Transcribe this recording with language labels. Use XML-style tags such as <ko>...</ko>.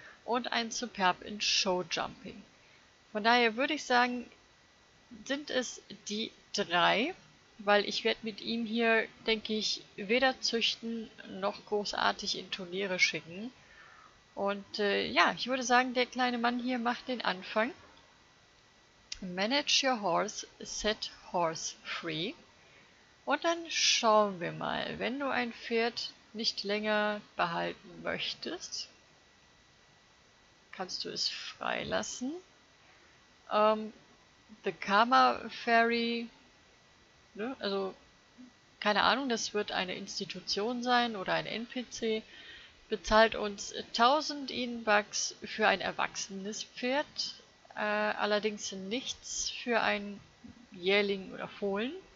<de>Und ein Superb in Show Jumping. Von daher würde ich sagen, sind es die 3. Weil ich werde mit ihm hier, denke ich, weder züchten noch großartig in Turniere schicken. Und ja, ich würde sagen, der kleine Mann hier macht den Anfang.</de> <en>Manage your horse, set horse free.</en> <de>Und dann schauen wir mal, wenn du ein Pferd nicht länger behalten möchtest, kannst du es freilassen. The Karma Fairy, ne? Also keine Ahnung, das wird eine Institution sein oder ein NPC, bezahlt uns 1000 Edenbucks für ein erwachsenes Pferd, allerdings nichts für ein Jährling oder Fohlen.</de>